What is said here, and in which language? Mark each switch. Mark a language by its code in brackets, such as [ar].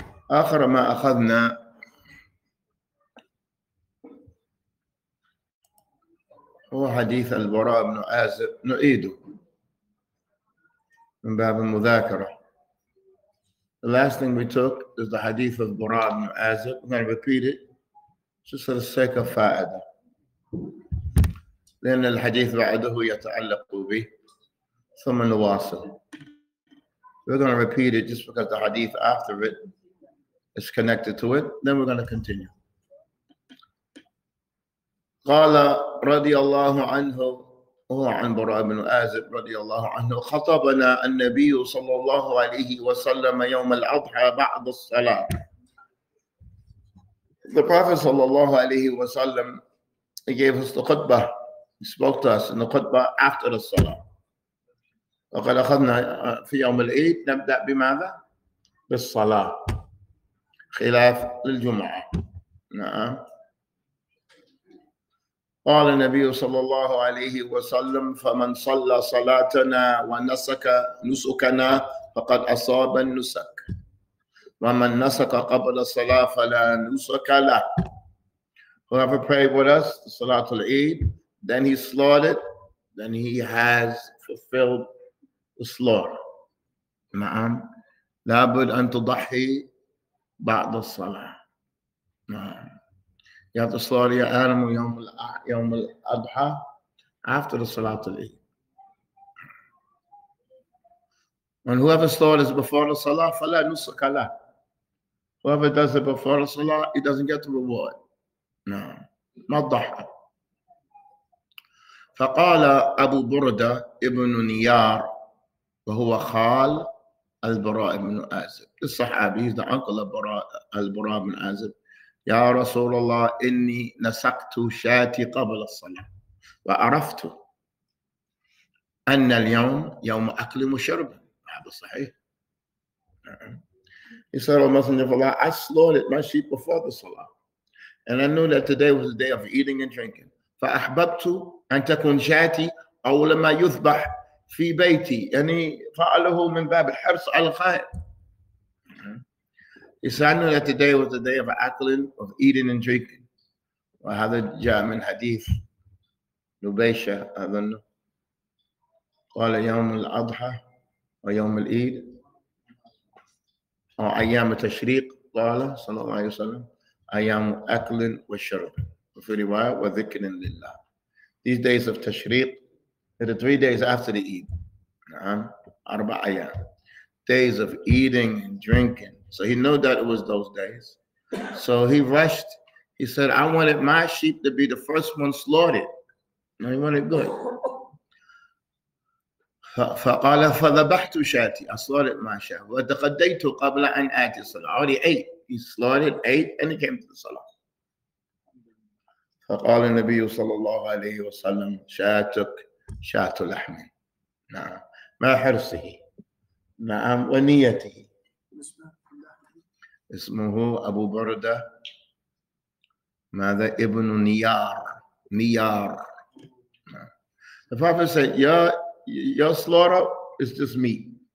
[ar] آخر ما أخذنا هو حديث البراء بن عازب، نعيده من باب المذاكرة. [en] The last thing we took is the hadith of Bura ibn Azib. I'm going to repeat it just for the sake of [ar] فائدة، لأن الحديث بعده يتعلق به، ثم نواصل. [en] We're going to repeat it just because the hadith after it is connected to it. Then we're going to continue. [ar] قال رضي الله عنه، هو عن براء بن عازب رضي الله عنه، خطبنا النبي صلى الله عليه وسلم يوم الأضحى بعد الصلاة. [en] The Prophet صلى الله عليه وسلم gave us the khutbah. He spoke to us in the khutbah after the salah. [ar] وقد أخذنا في يوم العيد نبدأ بماذا؟ بالصلاة خلاف للجمعة. نعم. قال النبي صلى الله عليه وسلم، فمن صلى صلاتنا ونسك نسكنا فقد أصاب النسك، ومن نسك قبل الصلاة فلا نسك له. [en] Whoever prayed with us the Salat al-Eid, then he slaughtered, then he has fulfilled the slaughter. [ar] نعم. لابد أن تضحي بعد الصلاة. نعم. [en] You have to slaughter your animal يوم الأضحى after the Salat al-Eid. And whoever slaughters before the Salah, [ar] فلا نسك له. [en] Whoever does it before the Salah, he doesn't get the reward. No. [ar] ما الضحى. فقال أبو بردة ابن نيار، وهو خال البراء بن عازب. الصحابي [en] is the uncle of [ar] البراء بن عازب. يا رسول الله إني نسقت شاتي قبل الصلاة وعرفت أن اليوم يوم أكل وشرب. هذا صحيح. [en] He said, oh Messenger of Allah, I slaughtered my sheep before the salah, and I knew that today was the day of eating and drinking. [ar] فأحببت أن تكون شاتي أول ما يذبح في بيتي، يعني فعله من باب الحرص على الخير. [en] He said, I knew that today was the day of akling, of eating and drinking. [ar] وهذا جاء من حديث نبيشة أظن. قال يوم الأضحى ويوم الإيد أو أيام التشريق، قال صلى الله عليه وسلم، أيام أكل وشرب. وفي رواية وذكر لله. [en] These days of تشريق are the 3 days after the Eid. [ar] نعم. 4 أيام. [en] Days of eating and drinking. So he knew that it was those days. So he rushed. He said, I wanted my sheep to be the first one slaughtered. No, he wanted good. [ar] فقال فذبحت شاتي. [en] I slaughtered my sheep. [ar] وتغديت قبل أن آتي الصلاة. [en] I already ate. He slaughtered, ate, and he came to the salah. [ar] فقال النبي صلى الله عليه وسلم، شاتك شات لحم. نعم. ما حرصه. نعم. ونيته. اسمه أبو بردة ماذا؟ ابن نيار. نيار. [en] The Prophet said, your slaughter is just meat.